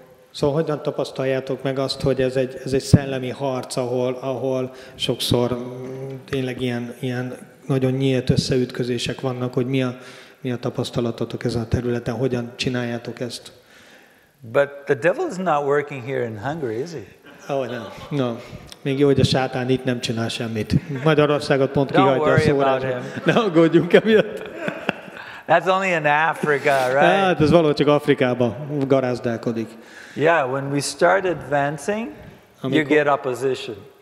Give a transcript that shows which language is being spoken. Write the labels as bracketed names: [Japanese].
[Hungarian] Szóval hogyan tapasztaljátok meg azt, hogy ez egy szellemi harc, ahol sokszor tényleg ilyen nagyon nyílt összeütközések vannak, hogy mi a tapasztalatotok ezen a területen, hogyan csináljátok ezt? [English] But the devil is not working here in Hungary, is he? Oh, no. No. [Hungarian] Még jó, hogy a sátán itt nem csinál semmit. Magyarországot pont kihagyta a szórásra. Ne aggódjunk emiatt. [English] That's only in Africa, right? [Hungarian] Hát ez valahogy csak Afrikában garázdálkodik. [English] Yeah, when we start advancing, you get opposition.